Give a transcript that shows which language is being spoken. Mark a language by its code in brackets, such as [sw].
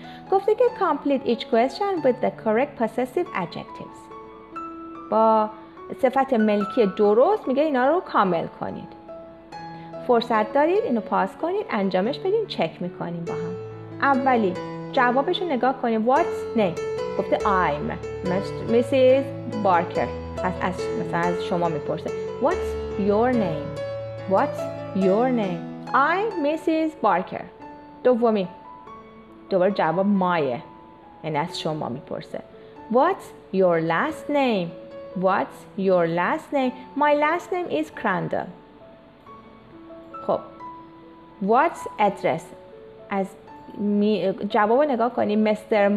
[fa] گفته که [en] complete each question with the correct possessive adjectives. [fa] با صفت ملکی درست میگه اینا رو کامل کنید. فرصت دارید اینو پاس کنید، انجامش بدید، چک میکنیم با هم. اولی جوابش رو نگاه کنید. [en] What's name؟ [fa] گفته [en] I'm Mrs. Barker. [fa] از مثلا از شما میپرسه. [en] What's your name؟ What's your name؟ I'm Mrs. Barker. [fa] دومی دوباره جواب مایه، یعنی از شما میپرسه. [en] What's your last name؟ What's your last name؟ My last name is Crandall. [fa] خب [en] What's address؟ [fa] از جواب نگاه کنی. Mr.